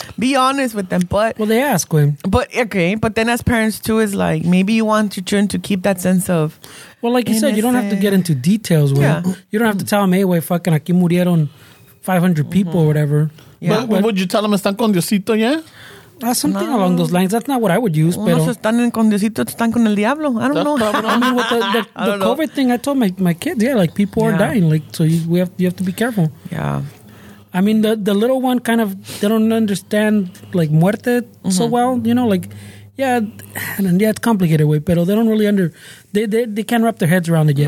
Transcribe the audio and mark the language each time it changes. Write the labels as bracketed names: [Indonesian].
[English] Be honest with them. But well, they ask when. But okay. But then as parents too, is like, maybe you want your children to keep that sense of... Well, like you said, you don't have to get into details. Well, yeah. You don't have to tell them, hey, wey, fucking [Spanish] aquí murieron [English] 500 people or whatever. Yeah. But would you tell them, [Spanish] están con Diosito, [English] yeah? Something along those lines. That's not what I would use. [Spanish] Pero están en condecito, están con el diablo. [English] I don't know. I mean, with the COVID thing, I told my kids, yeah, like people are dying. Like, so you have to be careful. Yeah. I mean, the little one kind of, they don't understand like muerte so well, you know, like, it's complicated, way, pero they don't really they can't wrap their heads around it yet.